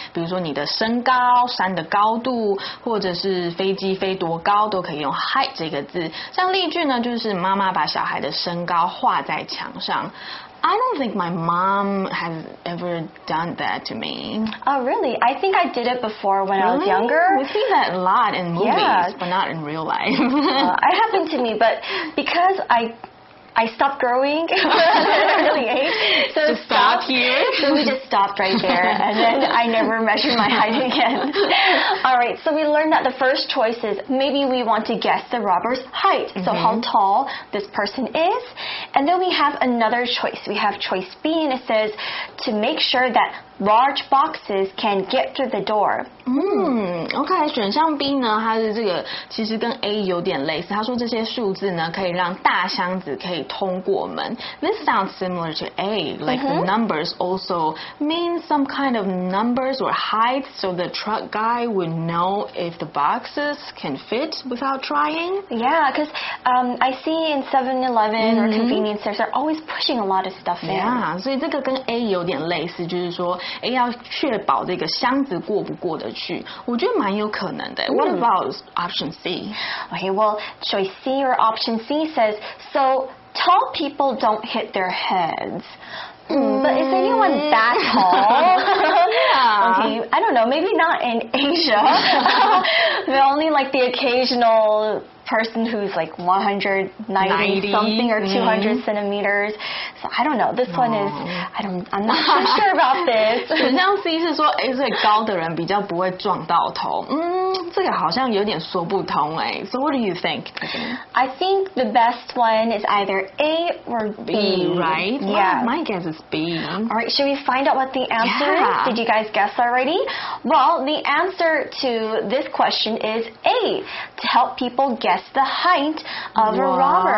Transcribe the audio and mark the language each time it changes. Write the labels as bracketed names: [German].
[Chinese] 比如说你的身高、山的高度，或者是飞机飞多高，都可以用 height 这个字。像例句呢，就是妈妈把小孩的身高画在墙上。 [English] I don't think my mom has ever done that to me. Oh, really? I think I did it before when really? I was younger. We see that a lot in movies, yeah. But not in real life. It happened to me, but because I stopped growing at an early age. So just stopped here? So we just stopped right there, and then I never measured my height again. All right, so we learned that the first choice is maybe we want to guess the robber's height, so how tall this person is. And then we have another choice. We have choice B, and it says to make sure that large boxes can get through the door. [Chinese] OK, 选项 B 呢，它是这个其实跟 A 有点类似，它说这些数字呢可以让大箱子可以通过门。 [English] This sounds similar to A, like the numbers also mean some kind of numbers or height, so the truck guy would know if the boxes can fit without trying. Yeah, because I see in 7-Eleven or convenience stores, they're always pushing a lot of stuff in. [Chinese] Yeah, 所以这个跟 A 有点类似，就是说 A 要确保这个箱子过不过得去，我觉得蛮有可能的。 [English] What about option C? Okay, well, choice C or option C says, soTall people don't hit their heads. But is anyone that tall? Yeah. Okay, I don't know. Maybe not in Asia. They're only like the occasional person who's like 190-something or 200 centimeters. So I don't know. This one is, I'm not sure about this. [Chinese] 选项 C 是说，哎，最高的人比较不会撞到头。这个好像有点说不通哎。 [English] So what do you think? I think the best one is either A or B. Right? Yeah. My guess is B. Alright, should we find out what the answer is? Did you guys guess already? Well, the answer to this question is A. To help people guess the height of a robber.